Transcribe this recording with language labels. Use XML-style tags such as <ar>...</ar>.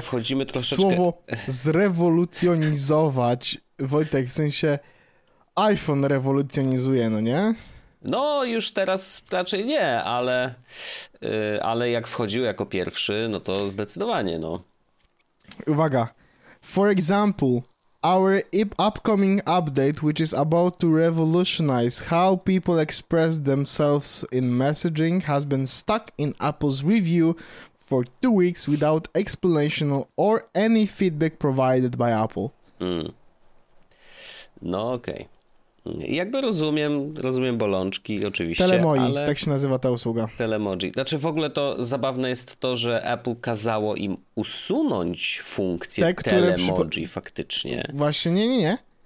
<pl>wchodzimy troszeczkę... słowo zrewolucjonizować, Wojtek, w sensie iPhone rewolucjonizuje, no nie? No, już teraz raczej nie, ale, ale jak wchodził jako pierwszy, no to zdecydowanie, no. Uwaga.</pl> <en>For example, our upcoming update, which is about to revolutionize how people express themselves in messaging, has been stuck in Apple's review for 2 weeks without explanation or any feedback provided by Apple.</en> <pl>No, okej. Okay. Jakby rozumiem bolączki, oczywiście. Telemoji, ale... tak się nazywa ta usługa. Telemoji. Znaczy w ogóle to zabawne jest to, że Apple kazało im usunąć funkcję Telemoji faktycznie. Właśnie, nie.</pl>